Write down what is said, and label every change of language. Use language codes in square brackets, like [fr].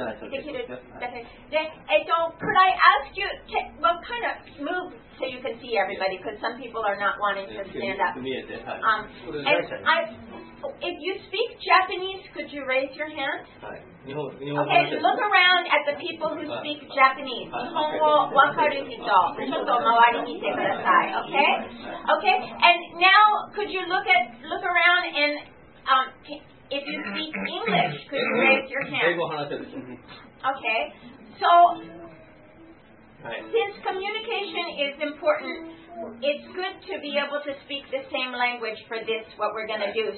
[en] Could I ask you, kind of move so you can see everybody, because some people are not wanting to stand up. If you speak Japanese, could you raise your hand? Okay, look around at the people who speak Japanese. [ja] 日本語わかる人、ちょっと周り見てください。 [en] Okay? Okay? And now, could you look around and if you speak English, could you raise your hand? Okay. So, since communication is important,It's good to be able to speak the same language for this, what we're going to do.